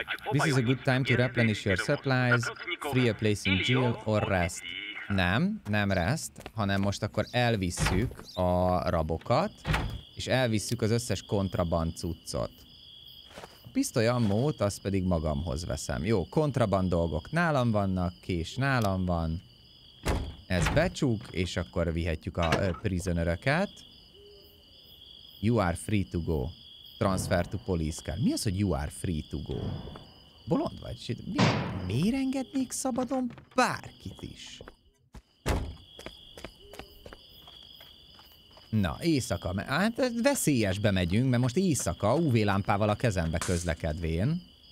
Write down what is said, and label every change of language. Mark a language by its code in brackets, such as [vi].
[en] This is a good time to replenish your supplies, free a place in jail or rest. [hu] Nem rest, hanem most akkor elvisszük a rabokat, és elvisszük az összes kontraband cuccot. A pisztoly ammót azt pedig magamhoz veszem. Jó, kontraband dolgok nálam vannak, kés nálam van. Ez becsuk, és akkor vihetjük a prisoneröket. [en] You are free to go. Transfer to police car. [hu] Mi az, hogy [en] you are free to go? [hu] Bolond vagy? Miért engednék szabadon bárkit is? Na, éjszaka. Hát veszélyesbe megyünk, mert most éjszaka UV-lámpával a kezembe közlekedvén.